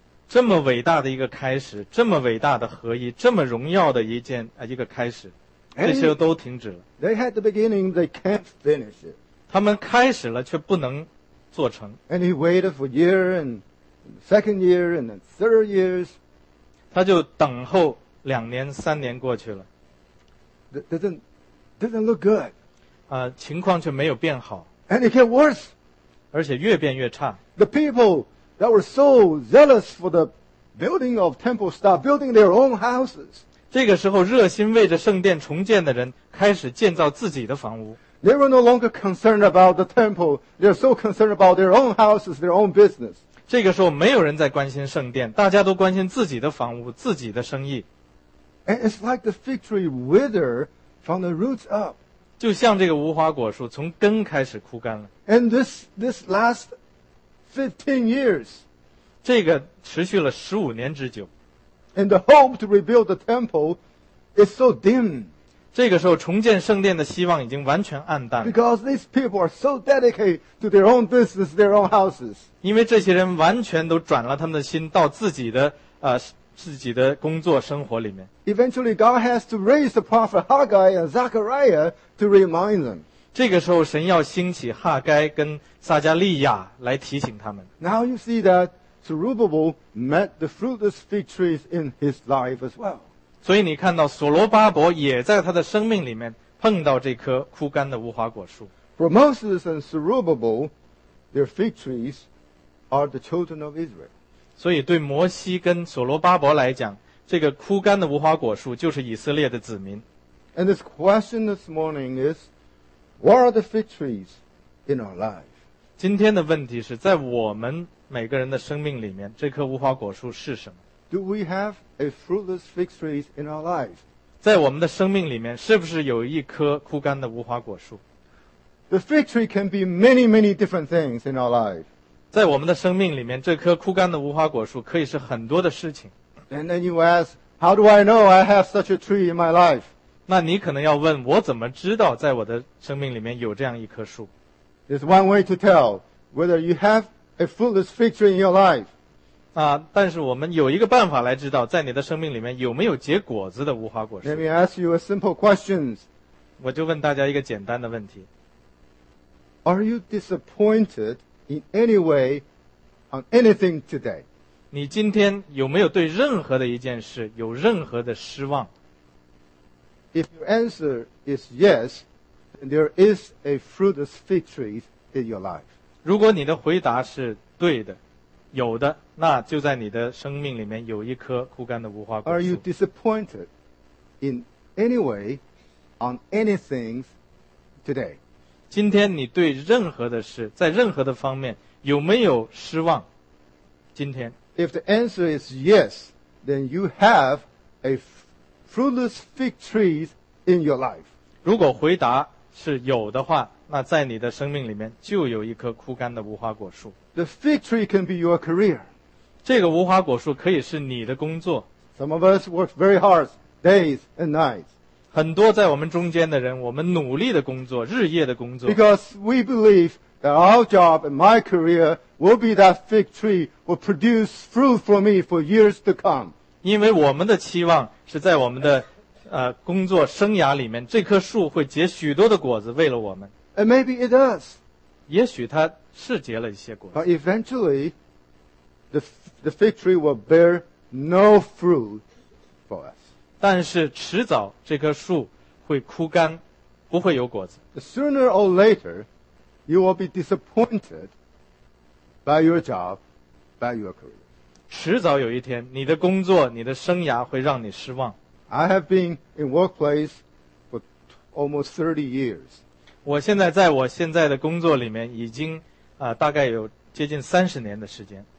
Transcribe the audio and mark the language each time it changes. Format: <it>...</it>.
<zh>这么伟大的一个开始，这么伟大的合一，这么荣耀的一个开始，这些都停止了。</zh> <en>They had the beginning, they can't finish it.</en> <zh>他们开始了，却不能做成。</zh> <en>And he waited for year and second year and then third years.</en> <zh>他就等候两年、三年过去了。</zh> <en>Doesn't look good.</en> <zh>情况却没有变好。</zh> <en>And it get worse.</en> <zh>而且越变越差。</zh> <en>The people that were so zealous for the building of temple start building their own houses.</en> <zh>这个时候，热心为着圣殿重建的人开始建造自己的房屋。</zh> <en>They were no longer concerned about the temple. They're so concerned about their own houses, their own business.</en> <zh>这个时候，没有人在关心圣殿，大家都关心自己的房屋、自己的生意。</zh> <en>And it's like the fig tree wither from the roots up.</en> <zh>就像这个无花果树从根开始枯干了。</zh> <en>And this last 15 years.</en> <zh>这个持续了15年之久。</zh> <en>And the hope to rebuild the temple is so dim.</en> <zh>这个时候重建圣殿的希望已经完全暗淡了。</zh> <en>Because these people are so dedicated to their own business, their own houses.</en> <zh>因为这些人完全都转了他们的心到自己的工作生活里面。</zh> <en>Eventually, God has to raise the prophet Haggai and Zechariah to remind them.</en> <zh>这个时候，神要兴起哈该跟撒加利亚来提醒他们。</zh> <en>Now you see that Zerubbabel met the fruitless fig trees in his life as well.</en> <zh>所以你看到所罗巴伯也在他的生命里面碰到这棵枯干的无花果树。</zh> <en>For Moses and Zerubbabel, their fig trees are the children of Israel.</en> <zh>所以对摩西跟所罗巴伯来讲，这个枯干的无花果树就是以色列的子民。</zh> <en>And this question this morning is, what are the fig trees in our life?</en> <zh>今天的问题是在我们每个人的生命里面，这棵无花果树是什么？</zh> <en>Do we have a fruitless fig trees in our life?</en> <zh>在我们的生命里面，是不是有一棵枯干的无花果树？</zh> <en>The fig tree can be many, many different things in our life.</en> <zh>在我们的生命里面，这棵枯干的无花果树可以是很多的事情。</zh> <en>And then you ask, how do I know I have such a tree in my life?</en> <zh>那你可能要问，我怎么知道在我的生命里面有这样一棵树？</zh> <en>There's one way to tell whether you have a fruitless fig tree in your life.</en> <zh>啊，但是我们有一个办法来知道在你的生命里面有没有结果子的无花果树。</zh> <en>Let me ask you a simple question.</en> <zh>我就问大家一个简单的问题。</zh> <en>Are you disappointed? In any way, on anything today.</en> <zh>你今天有没有对任何的一件事有任何的失望？</zh> <en>If your answer is yes, then there is a fruitless fig tree in your life.</en> <zh>如果你的回答是对的，有的，那就在你的生命里面有一棵枯干的无花果树。</zh> <en>Are you disappointed in any way, on anything today?</en> <zh>今天你对任何的事在任何的方面有没有失望？今天</zh> <en>If the answer is yes, then you have a fruitless fig tree in your life.</en> <zh>如果回答是有的话，那在你的生命里面就有一棵枯干的无花果树。</zh> <en>The fig tree can be your career.</en> <zh>这个无花果树可以是你的工作。</zh> <en>Some of us work very hard days and nights.</en> <zh>很多在我们中间的人，我们努力的工作，日夜的工作。</zh> <en>Because we believe that our job and my career will be that fig tree will produce fruit for me for years to come.</en> <zh>因为我们的期望是在我们的工作生涯里面，这棵树会结许多的果子为了我们。</zh> <en>And maybe it does.</en> <zh>也许它是结了一些果子。</zh> <en>But eventually, the fig tree will bear no fruit for us.</en> <zh>但是迟早这棵树会枯干，不会有果子。</zh> <en>Sooner or later, you will be disappointed by your job, by your career.</en> <zh>迟早有一天，你的工作、你的生涯会让你失望。</zh> <en>I have been in workplace for almost 30 years.</en> <zh>我现在在我现在的工作里面已经大概有接近30年的时间。</zh>